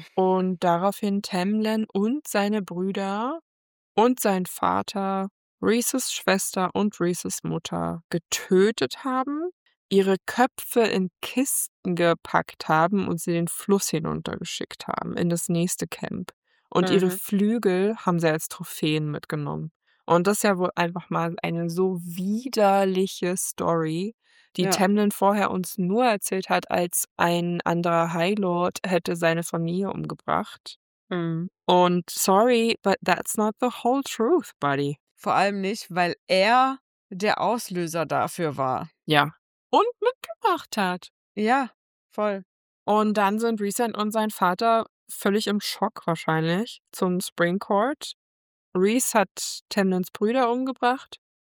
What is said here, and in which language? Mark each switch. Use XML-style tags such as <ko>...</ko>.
<de>Und daraufhin Tamlin und seine Brüder und sein Vater Rhys' Schwester und Rhys' Mutter getötet haben, ihre Köpfe in Kisten gepackt haben und sie den Fluss hinuntergeschickt haben, in das nächste Camp. Und ihre Flügel haben sie als Trophäen mitgenommen. Und das ist ja wohl einfach mal eine so widerliche Story, die Tamlin vorher uns nur erzählt hat, als ein anderer Highlord hätte seine Familie umgebracht. Mhm.</de> <en>Und sorry, but that's not the whole truth, buddy.</en> <de>Vor allem nicht, weil er der Auslöser dafür war. Ja. Und mitgebracht hat. Ja, voll. Und dann sind Rhysand und sein Vater völlig im Schock wahrscheinlich zum Spring Court. Rhys hat Tamlins Brüder umgebracht.</de>